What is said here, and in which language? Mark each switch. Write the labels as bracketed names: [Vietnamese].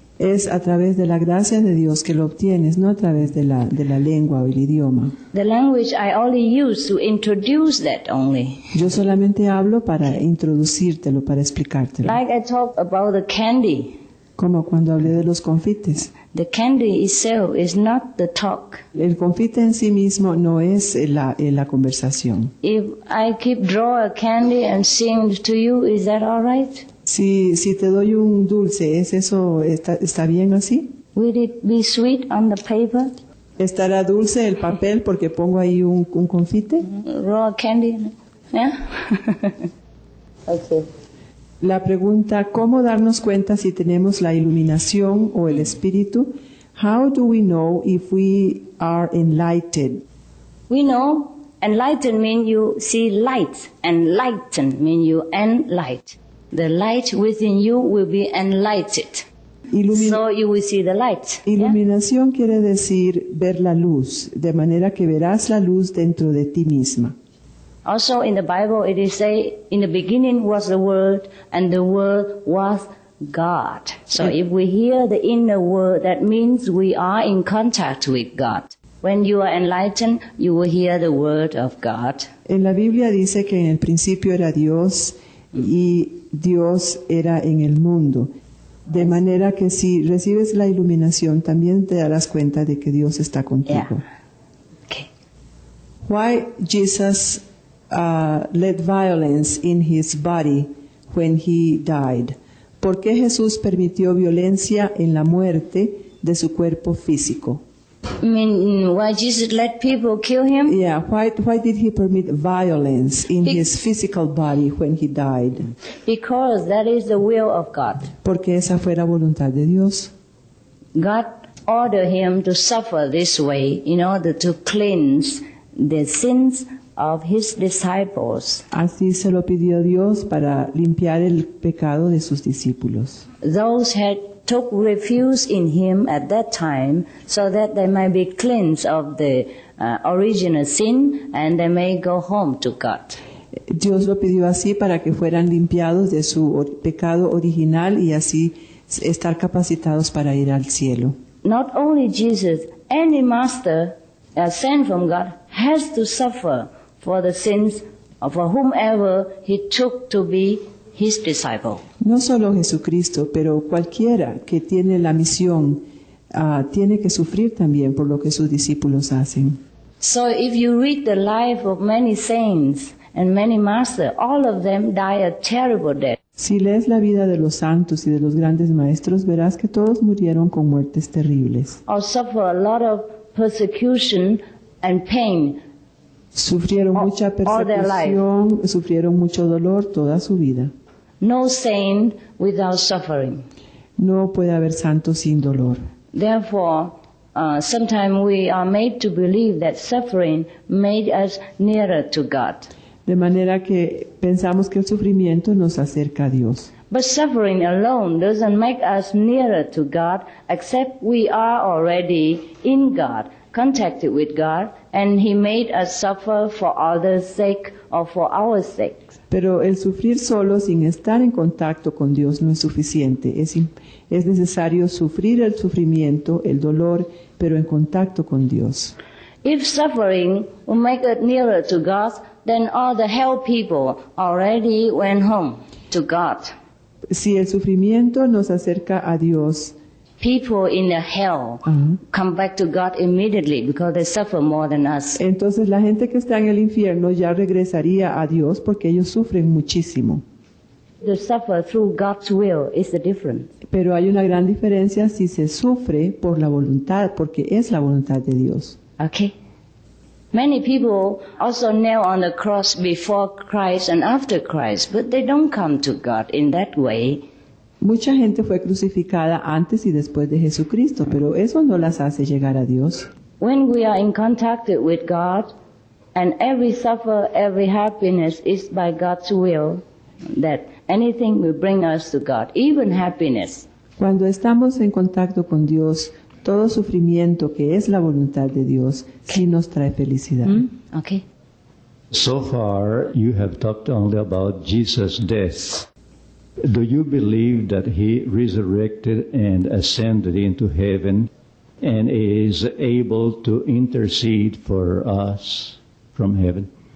[Spanish] Es a través de la gracia de Dios que lo obtienes, no a través de la lengua o el idioma. [English] The language I only use to introduce that only. [Spanish] Yo solamente hablo para introducírtelo, para explicártelo. [English] Like I talk about the candy. [Spanish] Como cuando hablé de los confites. [English] The candy itself is not the talk. [Spanish] El confite en sí mismo no es la conversación. [English] If I keep draw a candy and sing to you, is that all right? [Spanish] Si te doy un dulce, ¿es eso está bien así? [English] Will it be sweet on the paper? [Spanish] ¿Estará dulce el papel porque pongo ahí un confite? [English] Raw candy. Yeah. Okay. [Spanish] La pregunta, ¿cómo darnos cuenta si tenemos la iluminación o el espíritu? [English] How do we know if we are enlightened? We know enlightened means you see light. Enlightened means you enlighten. The light within you will be enlightened. So you will see the light. [Spanish] Iluminación, yeah? Quiere decir ver la luz, de manera que verás la luz dentro de ti misma. [English] Also in the Bible it is said, in the beginning was the Word, and the Word was God. So if we hear the inner Word, that means we are in contact with God. When you are enlightened, you will hear the Word of God. [Spanish] En la Biblia dice que en el principio era Dios, y Dios era en el mundo. De manera que si recibes la iluminación, también te darás cuenta de que Dios está contigo. [English] Yeah. Okay. Why Jesus led violence in his body when he died? [Spanish] ¿Por qué Jesús permitió violencia en la muerte de su cuerpo físico? [English] I mean, why Jesus let people kill him? Yeah, why did he permit violence in his physical body when he died? Because that is the will of God. [Spanish] Porque esa fue la voluntad de Dios. [English] God ordered him to suffer this way in order to cleanse the sins of his disciples. [Spanish] Así se lo pidió Dios para limpiar el pecado de sus discípulos. [English] Those had took refuge in him at that time so that they might be cleansed of the original sin and they may go home to God. [Spanish] Dios lo pidió así para que fueran limpiados de su pecado original y así estar capacitados para ir al cielo. [English] Not only Jesus, any master sent from God has to suffer for the sins of whomever he took to be his disciple. [Spanish] No solo Jesucristo, pero cualquiera que tiene la misión tiene que sufrir también por lo que sus discípulos hacen. [English] So if you read the life of many saints and many masters, all of them die a terrible death. [Spanish] Si lees la vida de los santos y de los grandes maestros, verás que todos murieron con muertes terribles. [English] Or suffer a lot of persecution and pain. [Spanish] Sufrieron mucha persecución, sufrieron mucho dolor toda su vida. [English] No saint without suffering. [Spanish] No puede haber santo sin dolor. [English] Therefore, sometimes we are made to believe that suffering made us nearer to God. [Spanish] De manera que pensamos que el sufrimiento nos acerca a Dios. [English] But suffering alone doesn't make us nearer to God, except we are already in God, contacted with God, and he made us suffer for others' sake or for our sake. [Spanish] Pero el sufrir solo sin estar en contacto con Dios no es suficiente. Es necesario sufrir el sufrimiento, el dolor, pero en contacto con Dios. [English] If suffering will make us nearer to God, then all the hell people already went home to God. [Spanish] Si el sufrimiento nos acerca a Dios, [English] people in the hell come back to God immediately because they suffer more than us. [Spanish] Entonces la gente que está en el infierno ya regresaría a Dios porque ellos sufren muchísimo. [English] To suffer through God's will is the difference. [Spanish] Pero hay una gran diferencia si se sufre por la voluntad, porque es la voluntad de Dios. [English] Okay. Many people also knelt on the cross before Christ and after Christ, but they don't come to God in that way. [Spanish] Mucha gente fue crucificada antes y después de Jesucristo, pero eso no las hace llegar a Dios. [English] When we are in contact with God, and every suffer, every happiness is by God's will, that anything will bring us to God, even happiness. [Spanish] Cuando estamos en contacto con Dios, todo sufrimiento que es la voluntad de Dios sí nos trae felicidad. [English] Mm-hmm. Okay. So far, you have talked only about Jesus' death. Do you believe that he resurrected and ascended into heaven and is able to intercede for us from heaven?